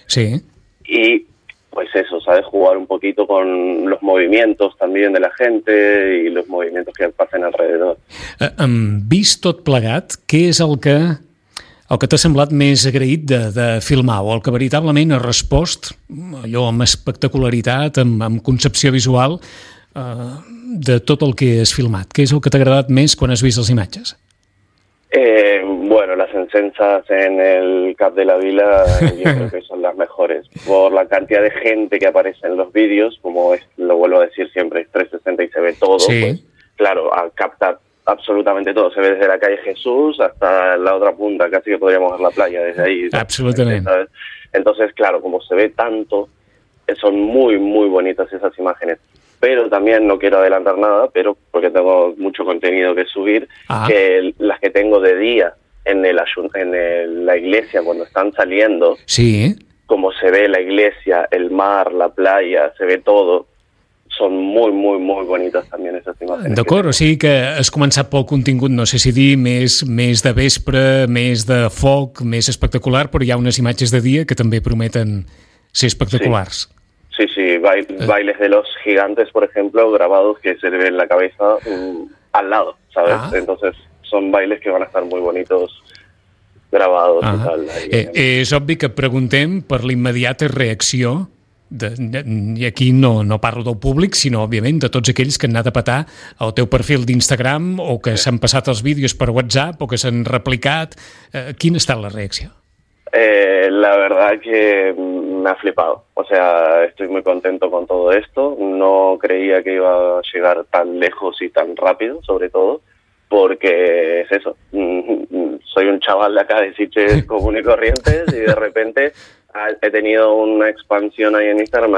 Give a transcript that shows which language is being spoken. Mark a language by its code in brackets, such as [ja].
[es] Sí. Y pues eso, ¿sabes? Jugar un poquito con los movimientos también de la gente y los movimientos que pasen alrededor. [ca] Vist tot plegat, què és el que t'ha semblat més agraït de filmar o el que veritablement ha respost allò amb espectacularitat, amb concepció visual de tot el que has filmat? Què és el que t'ha agradat més quan has vist les imatges? [es] Bueno, las encensas en el Cap de la Vila yo creo que son las mejores. Por la cantidad de gente que aparece en los vídeos, como es, lo vuelvo a decir siempre, es 360 y se ve todo, sí. Pues claro, capta absolutamente todo. Se ve desde la calle Jesús hasta la otra punta, casi que podríamos ver la playa desde ahí. Absolutamente. ¿Sabes? Entonces, claro, como se ve tanto, son muy, muy bonitas esas imágenes. Pero también no quiero adelantar nada, pero porque tengo mucho contenido que subir, que las que tengo de día en la iglesia cuando están saliendo, sí, como se ve la iglesia, el mar, la playa, se ve todo, son muy, muy, muy bonitas también esas imágenes. [ca] D'acord, o sigui que has començat pel contingut, no sé si dir, més de vespre, més de foc, més espectacular, però hi ha unes imatges de dia que també prometen ser espectaculars. Sí. [es] Sí, sí, bailes de los gigantes, por ejemplo, grabados que se ven la cabeza al lado, ¿sabes? Ah. Entonces son bailes que van a estar muy bonitos grabados. [ca] És obvi que preguntem per l'immediata reacció I aquí no parlo del públic, sinó, òbviament, de tots aquells que han anat a petar el teu perfil d'Instagram o que s'han passat els vídeos per WhatsApp o que s'han replicat. Quina ha estat la reacció? [es] La verdad que me ha flipado. O sea, estoy muy contento con todo esto. No creía que iba a llegar tan lejos y tan rápido, sobre todo, porque es eso. Soy un chaval de acá de Sitges común y corriente y de repente he tenido una expansión ahí en Instagram.